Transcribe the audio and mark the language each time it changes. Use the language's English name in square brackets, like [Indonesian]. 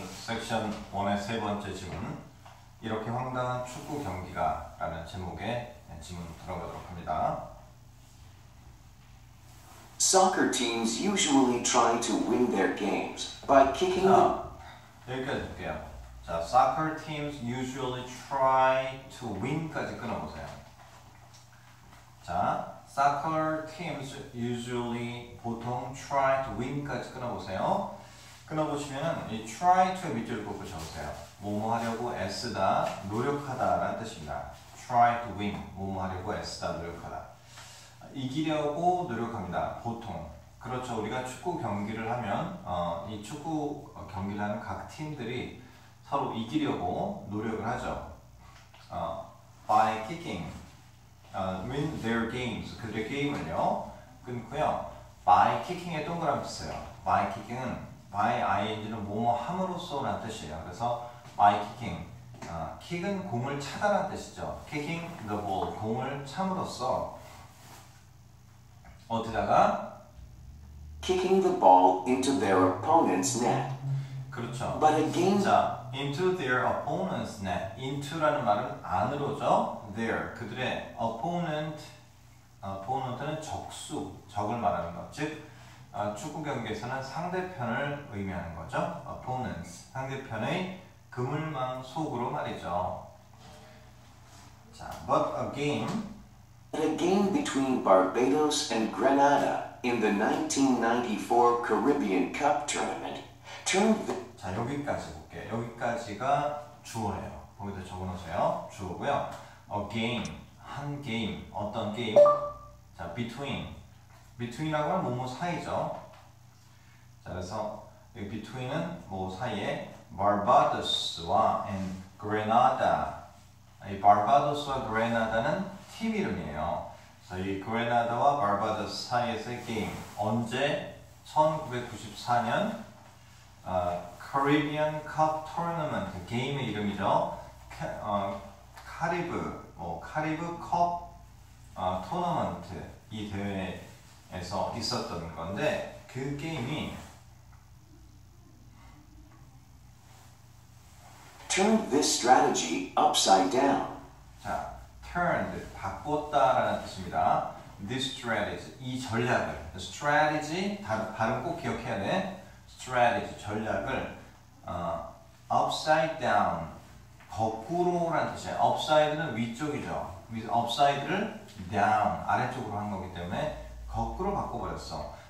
[Korean] 섹션 1의 세 번째 질문, 이렇게 황당한 축구 경기가 라는 제목의 질문 들어보도록 합니다. [English] Soccer teams usually try to win their games by kicking. [Korean] 자, 여기까지 볼게요. 자, [English] soccer teams usually try to win [Korean] 까지 끊어보세요. 자, [English] soccer teams usually [Korean] 보통 [English] try to win [Korean] 까지 끊어보세요. 끊어보시면 이 try to 밑줄을 꼭 붙여보세요. 뭐뭐 하려고 애쓰다, 노력하다 라는 뜻입니다. [English] try to win, [Korean] 뭐뭐 하려고 애쓰다, 노력하다. 이기려고 노력합니다. 보통. 그렇죠. 우리가 축구 경기를 하면 이 축구 경기를 하는 각 팀들이 서로 이기려고 노력을 하죠. [English] By kicking, win their games, [Korean] 그들의 게임을요. 끊고요. By kicking의 동그라미 쓰세요. By kicking은 by ing는 뭐뭐 함으로써라는 뜻이에요. 그래서 by kicking, kick은 공을 차다라는 뜻이죠. [English] Kicking the ball, [Korean] 공을 참으로써 어디다가? [English] Kicking the ball into their opponent's net. [Korean] 그렇죠. [English] But a game. 자, into their opponent's net. [Korean] Into라는 말은 안으로죠. [English] Their, [Korean] 그들의 [English] opponent. [Korean] Opponent는 적수, 적을 말하는 것. 즉, 축구 경기에서는 상대편을 의미하는 거죠. Opponents, 상대편의 그물망 속으로 말이죠. [English] 자, but a game. In a game between Barbados and Grenada in the 1994 Caribbean Cup tournament. [Korean] 자, 여기까지 볼게요. 여기까지가 주어예요. 거기다 적어놓으세요. 주어고요. A game, 한 게임, 어떤 게임? 자, between. Between이라고 하면 뭐뭐 사이죠. 자, 그래서 이 between은 뭐 사이에 Barbados와 and Grenada. 이 Barbados와 Grenada는 팀 이름이에요. 그래서 이 그레나다와 바바도스 사이에서의 게임, 언제? 1994년 Caribbean Cup Tournament, 게임의 이름이죠. 카리브 컵 토너먼트, 이 대회에서 있었던 건데, 그 게임이 [English] Turn this strategy upside down. [Korean] 자, turned, 바꿨다라는 뜻입니다. This strategy, 이 전략을. strategy, 발음 꼭 기억해야 돼. strategy, 전략을. upside down, 거꾸로라는 뜻이에요. upside는 위쪽이죠. upside를 down, 아래쪽으로 한 거기 때문에 거꾸로 바꿔버렸어.